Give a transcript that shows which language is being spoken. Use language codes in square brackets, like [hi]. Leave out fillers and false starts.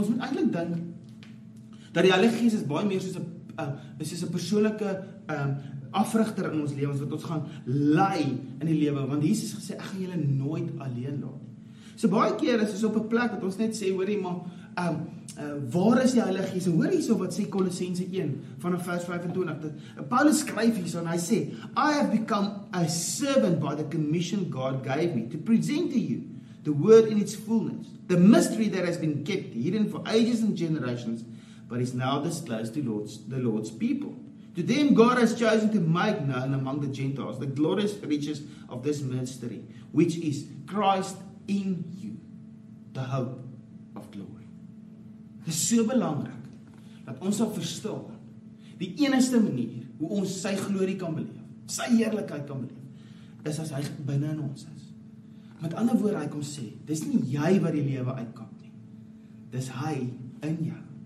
[af] Ons moet eintlik dink dat die Heilige Gees is baie meer soos 'n persoonlike afrigter in ons lewens wat ons gaan lei in die lewe, want Jesus gesê ek gaan julle nooit alleen laat nie. So baie keer is ons op 'n plek dat ons net sê hoorie maar waar is die Heilige Gees? Hoor hierso wat sê Kolossense 1 vanaf vers 25. Dat Paulus skryf hierso en hy sê [en] I have become a servant by the commission God gave me to present to you the word in its fullness, the mystery that has been kept hidden for ages and generations, but is now disclosed to the Lord's people. To them God has chosen to make known among the Gentiles the glorious riches of this mystery, which is Christ in you, the hope of glory. [af] Dit is so belangrik dat ons sal verstaan die enigste manier hoe ons sy glorie kan beleef, sy heerlikheid kan beleef, is as hy binne in ons is. Met ander woorde, hy kom sê, dis nie jy wat die lewe uitkap nie, dis hy in jou.